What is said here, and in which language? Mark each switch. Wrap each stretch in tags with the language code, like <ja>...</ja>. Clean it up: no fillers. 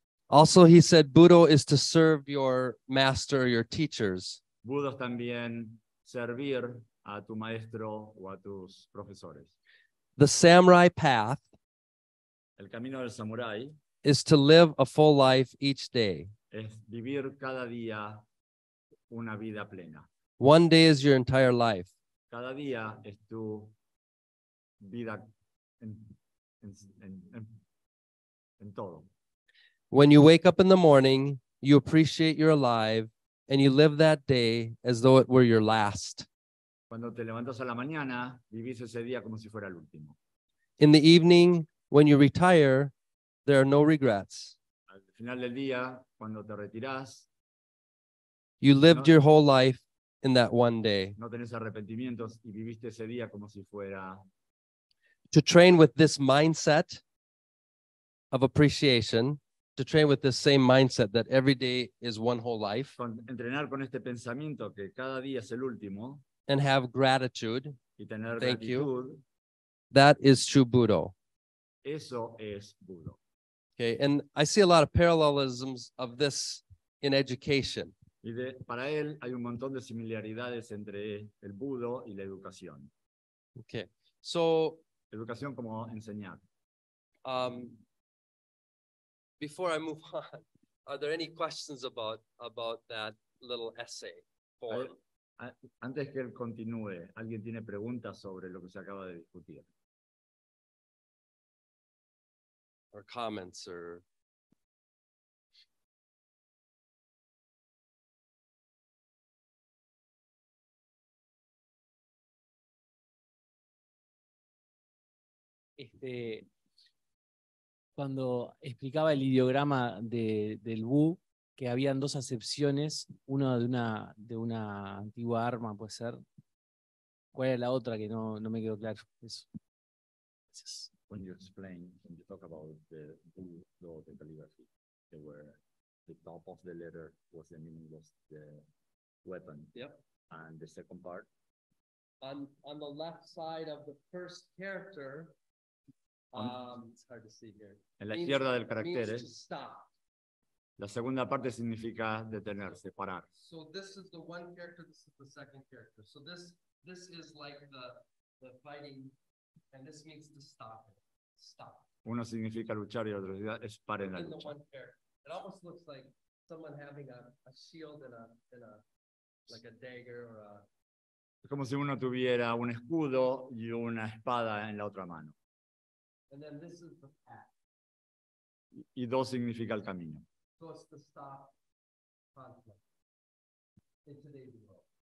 <en>Also, he said, Budo is to serve your master, your teachers.</en> <es>Budo también servir a tu maestro o a tus profesores.</es> <en>The samurai path.</en> <es>El camino del samurái.</es> <en>Is to live a full life each day.</en> <es>Es vivir cada día una vida plena.</es> <en>One day is your entire life.</en> <es>Cada día es tu vida en todo.</es> <en>When you wake up in the morning, you appreciate you're alive and you live that day as though it were your last.</en> <es>Cuando te levantas a la mañana, vivís ese día como si fuera el último.</es> <en>In the evening, when you retire, there are no regrets.</en> <es>Al final del día, cuando te retiras,</es> <en>you lived your whole life in that one day.</en> <es>No tenés arrepentimientos y viviste ese día como si fuera.</es> <en>To train with this mindset of appreciation, to train with this same mindset that every day is one whole life.</en> <es>Entrenar con este pensamiento que cada día es el último.</es> <en>And have gratitude.</en> <es>Y tener</es> <en>thank</en> <es>gratitud,</es> <en>you. That is true Budo.</en> <es>Eso es Budo.</es> <en>Okay, and I see a lot of parallelisms of this in education.</en> <es>Y de, para él hay un montón de similaridades entre el Budo y la educación.</es> <en>Okay, so</en> <es>educación como enseñar.</es> <en>Before I move on, are there any questions about that little essay?</en> <es>Antes que él continúe, ¿alguien tiene preguntas sobre lo que se acaba de discutir?</es> <en>Or comments, or</en> <es>este, cuando explicaba el ideograma del Wu, que habían dos acepciones, una de una antigua arma, puede ser. ¿Cuál era la otra? Que no me quedó claro eso. Gracias.</es> <en>When you explain, when you talk about the Budo, the calligraphy, where the top of the letter was the meaning was the weapon. Yep. And the second part? On the left side of the first character, it's hard to see here.</en> <es>En la izquierda del carácter,</es> <en>means to stop.</en> <es>La segunda parte significa detenerse, parar.</es> <en>So this is the one character, this is the second character. So this is like the fighting. And this means to stop.</en> <es>Uno significa luchar y otro es parar en la lucha.</es> <en>It almost looks like someone having a shield and a like a dagger or a.</en> <es>Es como si uno tuviera un escudo y una espada en la otra mano.</es> <en>And then this is the path.</en> <es>Y dos significa el camino.</es> <en>So it's to stop conflict in today's world.</en>